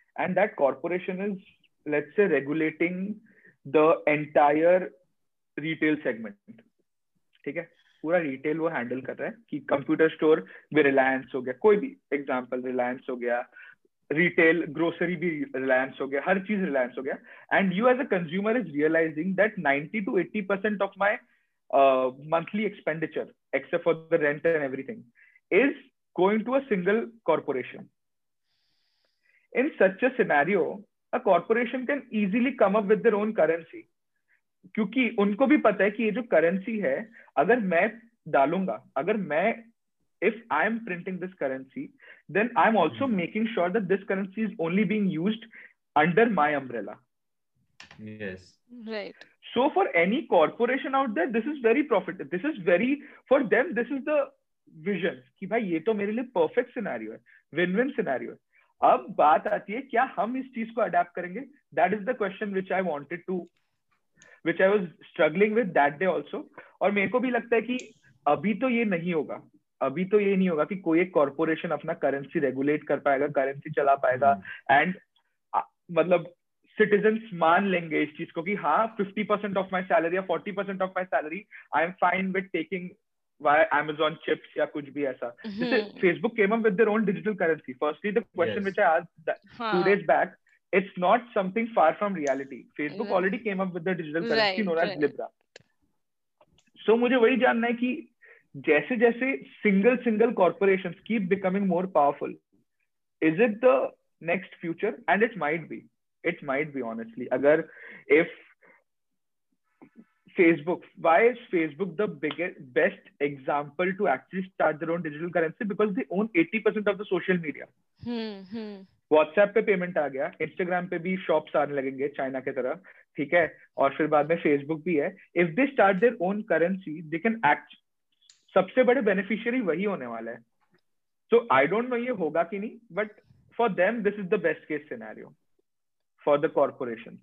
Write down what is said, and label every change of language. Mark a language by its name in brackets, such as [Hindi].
[English] And that corporation is, let's say, regulating the entire retail segment, [Hindi] ठीक है, पूरा retail वो handle कर रहा है कि computer store भी Reliance हो गया, कोई भी example Reliance हो गया, retail grocery भी Reliance हो गया, हर चीज Reliance हो गया, [English] and you as a consumer is realizing that 90-80% of my monthly expenditure except for the rent and everything is going to a single corporation. In such a scenario, a corporation can easily come up with their own currency. [Hindi] क्योंकि उनको भी पता है कि ये जो currency है, अगर मैं [English] डालूंगा, अगर मैं, if I am printing this currency, then I am also making sure that this currency is only being used under my umbrella. Yes, right. So for any corporation out there, this is very profit, this is very for them, this is the vision [Hindi] कि भाई ये तो मेरे लिए perfect scenario है, [English] Win win scenario है. [Hindi] अब बात आती है क्या हम इस चीज को अडैप्ट करेंगे, [English] That is the question which I wanted to, which I was struggling with that day also. [Hindi] और मेरे को भी लगता है कि अभी तो ये नहीं होगा, अभी तो ये नहीं होगा कि कोई एक कॉर्पोरेशन अपना करेंसी रेगुलेट कर पाएगा, करेंसी चला पाएगा, एंड मतलब citizens मान लेंगे इस चीज को कि हाँ 50% [English] of my salary या 40% of my salary I am fine with taking [Hindi] via Amazon chips या कुछ भी ऐसा. [English] जैसे Facebook came up with their own digital currency. Firstly, the question which I asked two days back, it's not something far from reality. Facebook already came up with the digital currency known as Libra. [Hindi] So mujhe wahi janna hai ki jaise jaise [English] single corporations keep becoming more powerful, is it the next future? And it might be. It might be, honestly. Agar if Facebook, why is Facebook the biggest, best example to actually start their own digital currency? Because they own 80% of the social media. [Hindi] WhatsApp पे payment आ गया, Instagram पे भी shops आने लगेंगे China की तरह, ठीक है, और फिर बाद में फेसबुक भी है. [English] if they start their own currency, they can act, [Hindi] सबसे बड़े बेनिफिशियरी वही होने वाला है. [English] so I don't know [Hindi] ये होगा कि नहीं, [English] But for them this is the best case scenario for the corporation.